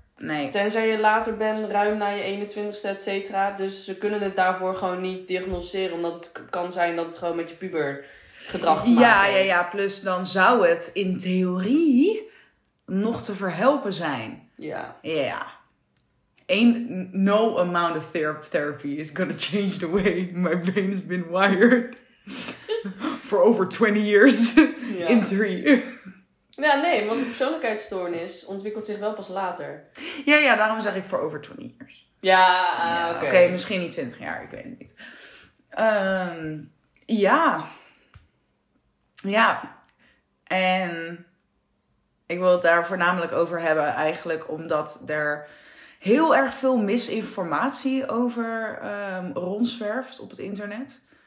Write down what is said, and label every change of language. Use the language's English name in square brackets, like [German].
[Dutch] Nee. Tenzij je later bent, ruim na je 21ste, et cetera. Dus ze kunnen het daarvoor gewoon niet diagnosticeren. Omdat het kan zijn dat het gewoon met je pubergedrag te maken heeft. Ja, ja, ja. Plus dan zou het in theorie nog te verhelpen zijn. Ja. Ja, ja. [English] Ain't no amount of therapy is gonna change the way my brain has been wired for over 20 years in 3. [Dutch] Ja, nee, want de persoonlijkheidsstoornis ontwikkelt zich wel pas later. Ja, ja, daarom zeg ik voor [English] over 20 years. [Dutch] Ja, oké. Oké, misschien niet 20 jaar, ik weet het niet. Ja. Ja. En ik wil het daar voornamelijk over hebben eigenlijk omdat er heel erg veel misinformatie over rondzwerft op het internet.